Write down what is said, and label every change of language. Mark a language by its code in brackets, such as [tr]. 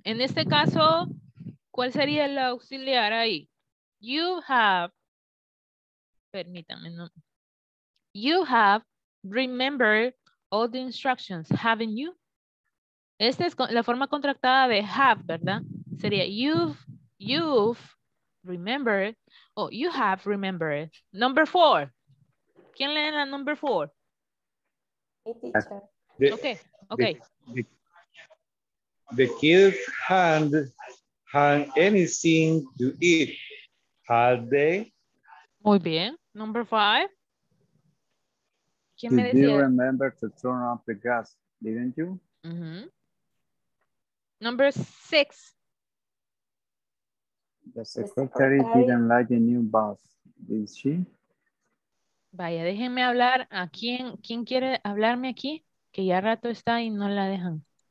[es] En este caso, ¿cuál sería el auxiliar ahí? [en] You have, [es] permítanme, no. [en] You have remembered all the instructions, haven't you? [es] Esta es la forma contractada de have, ¿verdad? Sería [en] you've remembered, oh, you have remembered. Number four. [es] ¿Quién lee la [en] number four? Okay. The kids had anything to eat, had they? [es] Muy bien. [en] Number five. [es] ¿Quién me decía? [en] You remember to turn off the gas, didn't you? Mm-hmm. Number six. The secretary didn't like the new boss, did she? [es] Vaya, déjenme hablar. ¿A quién quiere hablarme aquí? Que ya rato está y no la dejan.